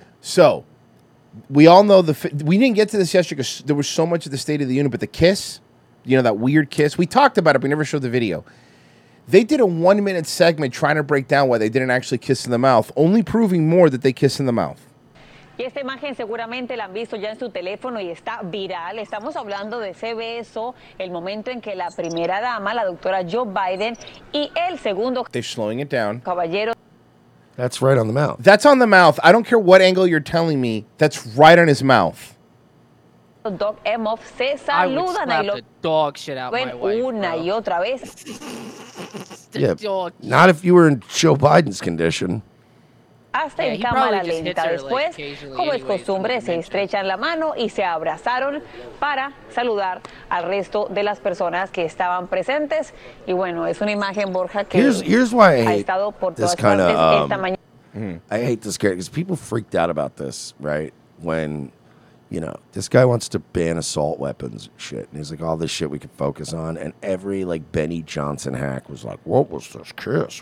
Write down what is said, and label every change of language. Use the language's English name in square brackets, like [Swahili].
[English] So, we all know, we didn't get to this yesterday because there was so much of the State of the Union, but the kiss, you know, that weird kiss, we talked about it, but we never showed the video. They did a 1 minute segment trying to break down why they didn't actually kiss in the mouth, only proving more that they kiss in the mouth. [Spanish] Y esta imagen seguramente la han visto ya en su teléfono y está viral. Estamos hablando de ese beso, el momento en que la primera dama, la doctora Joe Biden, y el segundo... [English] They're slowing it down. [Spanish] Caballero... [English] That's right on the mouth. That's on the mouth. I don't care what angle you're telling me. That's right on his mouth. [Spanish] Doc Emhoff se saludan. [English] I would slap the dog shit out my wife, [Spanish] una [English] bro. [Spanish] Y otra vez. [English] Yeah, not if you were in Joe Biden's condition. [Spanish] Hasta en cámara lenta después, como es costumbre, se estrechan la mano y se abrazaron para saludar al resto de las personas que estaban presentes. Y bueno, es una imagen, Borja, que [English] here's why I hate this kind of, I hate this guy, because people freaked out about this, right? When, you know, this guy wants to ban assault weapons and shit. And he's like, all this shit we can focus on. And every, like, Benny Johnson hack was like, what was this kiss?